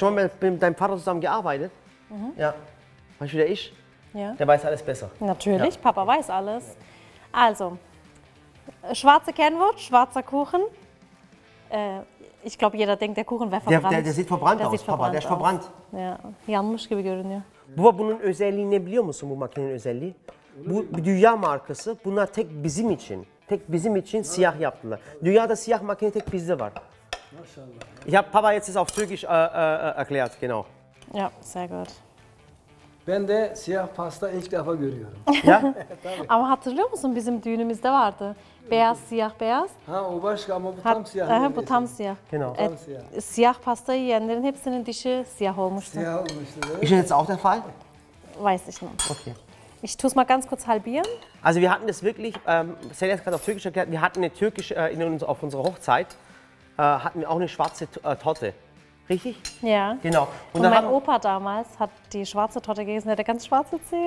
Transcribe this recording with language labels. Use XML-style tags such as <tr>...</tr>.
<de>Schon mal mit deinem Vater zusammen gearbeitet? Mhm. Ja. Weißt du, wie der ist? Ja. Der weiß alles besser. Natürlich, ja. Papa weiß alles. Also, schwarze Kernwurst, schwarzer Kuchen. Ich glaube, jeder denkt, der Kuchen wäre verbrannt. Der sieht verbrannt aus, Papa. Der ist verbrannt.</de> <tr>Ya, yanmış gibi görünüyor. Baba, bunun özelliği ne biliyor musun, bu makinenin özelliği? Bu bir dünya markası. Bunlar tek bizim için. Tek bizim için siyah yaptılar. Dünyada siyah makine tek bizde var. Maşallah.</tr> <de>Ich habe Papa jetzt auf Türkisch erklärt, genau. Ja, sehr gut.</de> <tr>Ben de siyah pasta ilk defa görüyorum. Ya? Ama hatırlıyor musun, bizim düğünümüzde vardı. Beyaz, siyah, beyaz. Ha, o başka ama bu tam siyah. Aha, bu tam siyah.</tr> <de>Genau.</de> <tr>Siyah pastayı yiyenlerin hepsinin dişi siyah olmuştu. Siyah olmuştu.</tr> <de>Ist das jetzt auch der Fall? Weiß ich nicht. Okay. Ich tue es mal ganz kurz halbieren. Also wir hatten das wirklich, Selya hat gerade auf Türkisch erklärt, wir hatten eine türkische, auf unserer Hochzeit, hatten wir auch eine schwarze Torte. Richtig? Ja. Genau. Und mein Opa damals hat die schwarze Torte gegessen, der hat ganz schwarze Zähne.</de>